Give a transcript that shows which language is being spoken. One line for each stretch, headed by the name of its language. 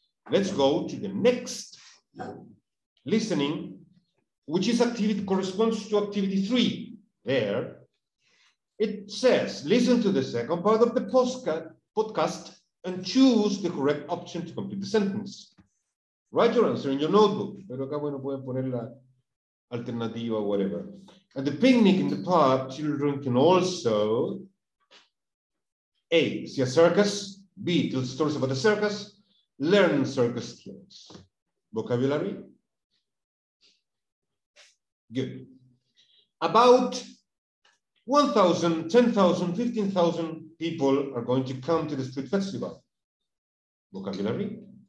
English: Let's go to the next listening, which is activity corresponds to activity three. There. It says, listen to the second part of the podcast and choose the correct option to complete the sentence. Write your answer in your notebook.
Spanish: Pero acá, bueno, pueden poner la alternativa, whatever.
English: At the picnic in the park, children can also A, see a circus, B, tell stories about the circus, learn circus skills. Vocabulary? Good. About 1,000, 10,000, 15,000 people are going to come to the street festival. Vocabulary?